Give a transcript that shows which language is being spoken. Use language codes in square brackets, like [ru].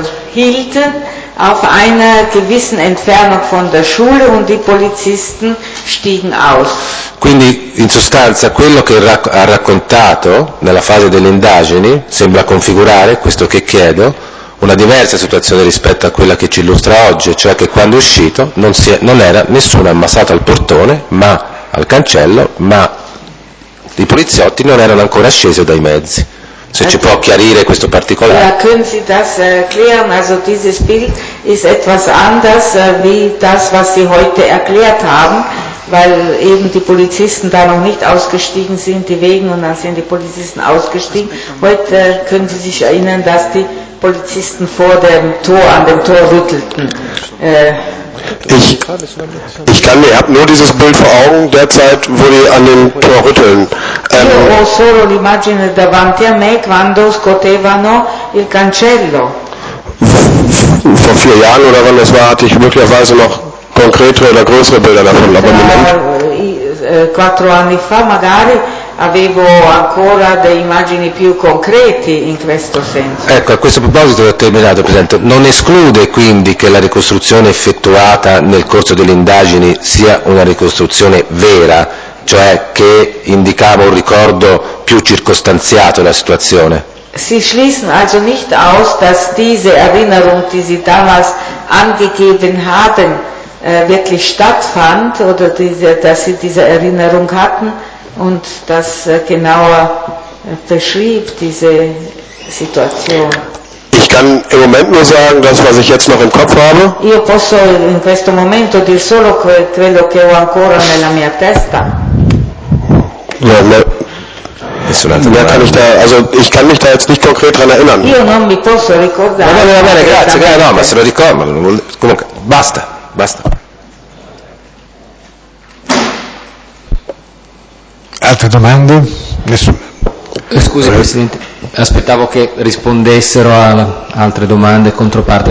[de] Hielten auf einer gewissen Entfernung von der Schule und die Polizisten stiegen aus. [it] Quindi in sostanza quello che ha raccontato nella fase delle indagini sembra configurare, questo che chiedo, una diversa situazione rispetto a quella che ci illustra oggi, cioè che quando è uscito non era nessuno ammassato al portone, ma al cancello, ma i poliziotti non erano ancora scesi dai mezzi. Se ci può chiarire questo particolare. [de] Ja, können Sie das erklären? Also dieses Bild ist etwas anders wie das, was Sie heute erklärt haben, weil eben die Polizisten da noch nicht ausgestiegen sind, die Wegen, und dann sind die Polizisten ausgestiegen. Heute können Sie sich erinnern, dass die Polizisten vor dem Tor, an dem Tor rüttelten. Ich kann mir nur dieses Bild vor Augen derzeit, wo die an dem Tor rütteln. [it] Io ho solo l'immagine davanti a me quando scotevano il cancello. [de] Vor vier Jahren oder wann das war, hatte ich möglicherweise noch konkretere oder größere Bilder davon. Aber [it] quattro anni fa magari avevo ancora delle immagini più concrete in questo senso. Ecco, a questo proposito ho terminato, Presidente. Non esclude quindi che la ricostruzione effettuata nel corso delle indagini sia una ricostruzione vera, cioè che indicava un ricordo più circostanziato della situazione. [de] Si schließen also nicht aus, dass diese Erinnerung, die Sie damals angegeben haben, wirklich stattfand, oder dass Sie diese Erinnerung hatten und das genauer beschrieb, diese Situation. Ich kann im Moment nur sagen, das, was ich jetzt noch im Kopf habe. [it] Io posso in questo momento dir solo quello che ho ancora nella mia testa. [de] Ja, mehr kann ich da, also ich kann mich da jetzt nicht konkret dran erinnern. [it] Io non mi posso ricordare. Va bene, va bene, grazie, grazie, no, ma se lo ricordo, non vuole, comunque, basta, basta. Altre domande? Nessuna. Scusi Presidente, aspettavo che rispondessero a altre domande, controparte.